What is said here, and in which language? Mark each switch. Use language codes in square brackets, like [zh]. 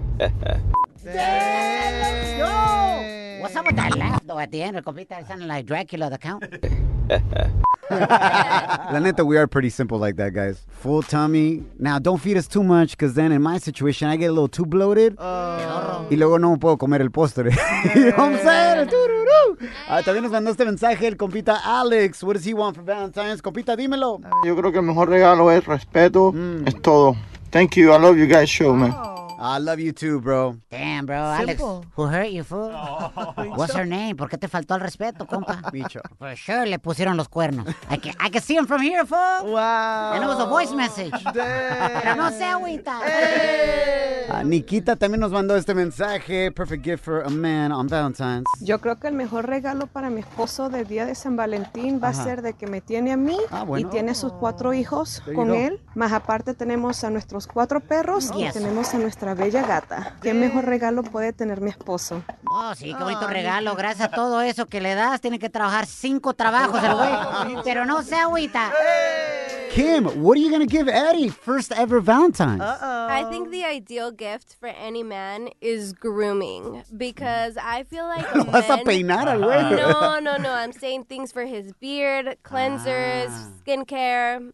[en] Yay! What's up with that laugh, though, at the end? El compita sounded like Dracula, the Count. [es] La neta, [en] we are pretty simple like that, guys. Full tummy. Now, don't feed us too much, because then in my situation, I get a little too bloated. [es] Y luego no puedo comer el postre. [en] You know what I'm saying? [es] También nos mandó este mensaje el compita Alex. [en] What does he want for Valentine's? [es] Compita, dímelo. Yo creo que el mejor regalo es respeto. Es todo. [en] Thank you. I love you guys' show, man. I love you too, bro. Damn, bro. Simple. Alex, who hurt you, fool? Oh, what's her name? [es] ¿Por qué te faltó el respeto, compa? Bicho. [en] For sure, [es] le pusieron los cuernos. [en] I can see him from here, fool. Wow. And it was a voice message. Damn. [es] Pero no se agüita. Hey. Nikita también nos mandó este mensaje. [en] Perfect gift for a man on Valentine's. [es] Yo creo que el mejor regalo para mi esposo del día de San Valentín va a ser de que me tiene a mí y tiene a sus cuatro hijos there con él. Más aparte tenemos a nuestros cuatro perros y tenemos a nuestra bella gata. ¿Qué mejor regalo puede tener mi esposo? Oh, sí, qué bonito regalo. Gracias a todo eso que le das, tiene que trabajar 5 trabajos el güey. Pero no se agüita. [en] Kim, what are you going to give Eddie first ever Valentine's? Uh-oh. I think the ideal gift for any man is grooming, because I feel like [es] vas [en] men... [es] a peinar al güey. No. [en] I'm saying things for his beard, cleansers, skincare.